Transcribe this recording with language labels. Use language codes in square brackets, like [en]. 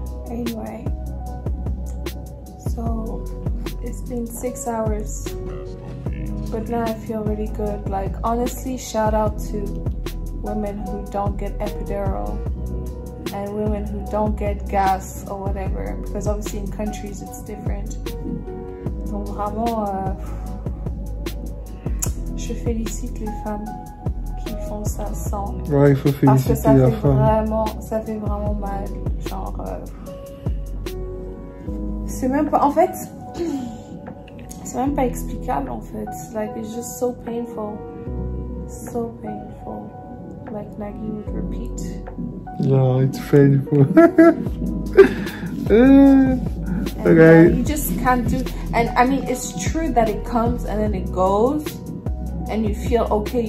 [en] Anyway, so it's been 6 hours, but now I feel really good. Like honestly, shout out to women who don't get epidural and women who don't get gas or whatever, because obviously in countries it's different. [fr] Donc vraiment, je félicite les femmes qui font ça sans. Ouais, il faut féliciter la femme. Parce que ça fait vraiment mal. Genre, c'est même pas. En fait, c'est même pas explicable. En fait, [en] like it's just so painful, so painful. Like Maggie would repeat. Yeah, it's painful. Okay. You just can't do. And I mean, it's true that it comes and then it goes, and you feel okay.